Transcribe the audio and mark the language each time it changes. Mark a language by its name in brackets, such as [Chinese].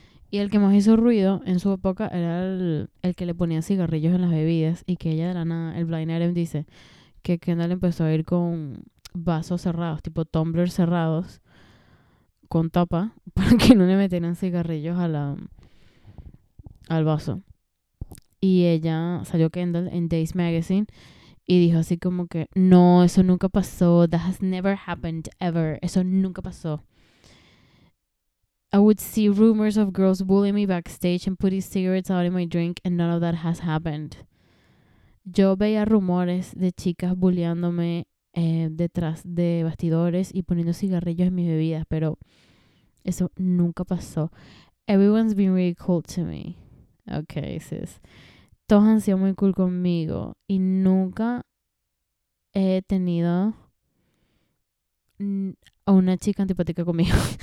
[Spanish] Y el que más hizo ruido en su época era el que le ponía cigarrillos en las bebidas, y que ella, de la nada, el blind item dice que Kendall empezó a ir con vasos cerrados, tipo tumblers cerrados, con tapa, para que no le metieran cigarrillos a la... al vaso. Y ella salió, Kendall, en Days Magazine y dijo así como que, no, eso nunca pasó. [English] That has never happened ever. [Spanish] Eso nunca pasó. [English] I would see rumors of girls bullying me backstage and putting cigarettes out in my drink, and none of that has happened. [Spanish] Yo veía rumores de chicas bulleándome detrás de bastidores y poniendo cigarrillos en mis bebidas, pero eso nunca pasó. [English] Everyone's been really cool to me. Okay, sis. [Spanish] Todos han sido muy cool conmigo y nunca he tenido una chica antipática conmigo.